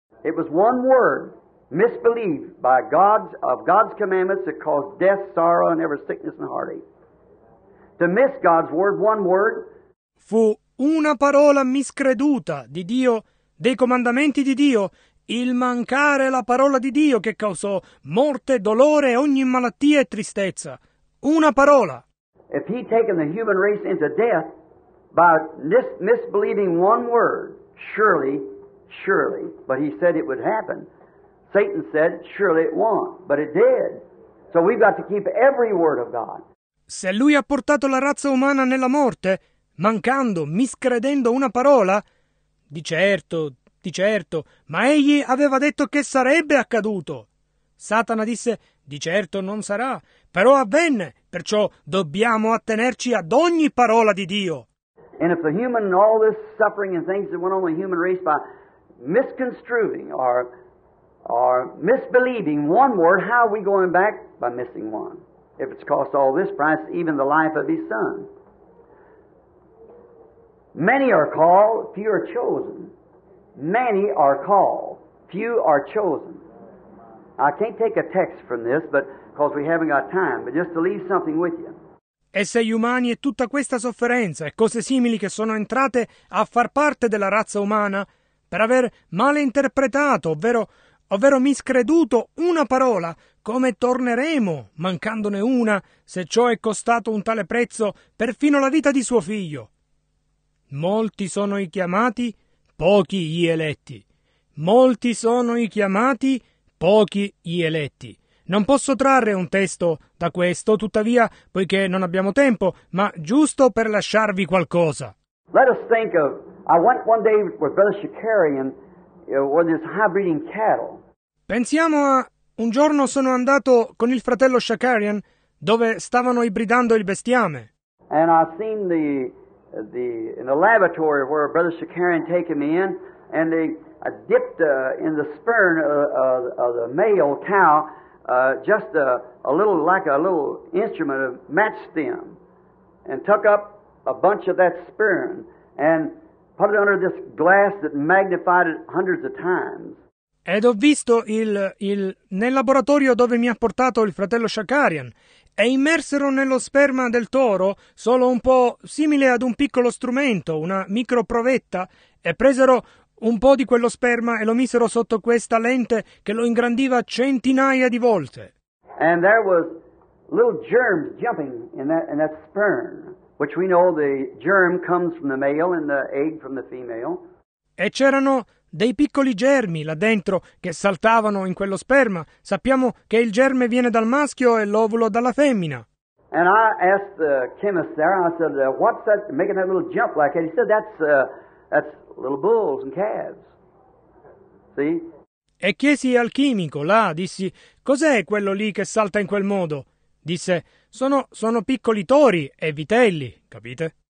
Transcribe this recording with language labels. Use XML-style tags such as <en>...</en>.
<en>It was one word, misbelief by God's commandments that caused death, sorrow, and every sickness and heartache. To miss God's word, one word.</en> <it>Fu una parola miscreduta di Dio, dei comandamenti di Dio, il mancare la parola di Dio che causò morte, dolore, ogni malattia e tristezza. Una parola.</it> <en>If he'd taken the human race into death by misbelieving one word, surely, surely, but he said it would happen. Satan said, surely it won't, but it did. So we've got to keep every word of God.</en> <it>Se lui ha portato la razza umana nella morte, mancando, miscredendo una parola, di certo, ma egli aveva detto che sarebbe accaduto. Satana disse, di certo non sarà, però avvenne, perciò dobbiamo attenerci ad ogni parola di Dio.</it> <en>And if the human and all this suffering and things that went on the human race by misconstruing or misbelieving one word, how are we going back? By missing one. If it's cost all this price, even the life of his son. Many are called, few are chosen. Many are called, few are chosen. I can't take a text from this, but because we haven't got time, but just to leave something with you.</en> <it>E se gli umani e tutta questa sofferenza e cose simili che sono entrate a far parte della razza umana, per aver male interpretato, ovvero miscreduto una parola, come torneremo, mancandone una, se ciò è costato un tale prezzo, perfino la vita di suo figlio? Molti sono i chiamati, pochi gli eletti. Molti sono i chiamati, pochi gli eletti. Non posso trarre un testo da questo, tuttavia, poiché non abbiamo tempo, ma giusto per lasciarvi qualcosa.</it> <en>Let us think of, I went one day with Brother Shikari and with his high-breeding cattle.</en> <it>Pensiamo a un giorno sono andato con il fratello Shakarian dove stavano ibridando il bestiame.</it> <en>And I seen the in the laboratory where Brother Shakarian taken me in, and they dipped in the sperm of the male cow just a little like a little instrument of match stem, and took up a bunch of that sperm and put it under this glass that magnified it hundreds of times.</en> <it>Ed ho visto nel laboratorio dove mi ha portato il fratello Shakarian e immersero nello sperma del toro solo un po' simile ad un piccolo strumento, una microprovetta, e presero un po' di quello sperma e lo misero sotto questa lente che lo ingrandiva centinaia di volte.</it> <en>And there was little germs jumping in that sperm, which we know the germ comes from the male and the egg from the female.</en> <it>E c'erano dei piccoli germi là dentro che saltavano in quello sperma. Sappiamo che il germe viene dal maschio e l'ovulo dalla femmina.</it> <en>And I asked the chemist there, I said, what's that making that little jump like? And he said, that's little bulls and calves. See?</en> <it>E chiesi al chimico là, dissi, cos'è quello lì che salta in quel modo? Disse, sono piccoli tori e vitelli, capite?</it>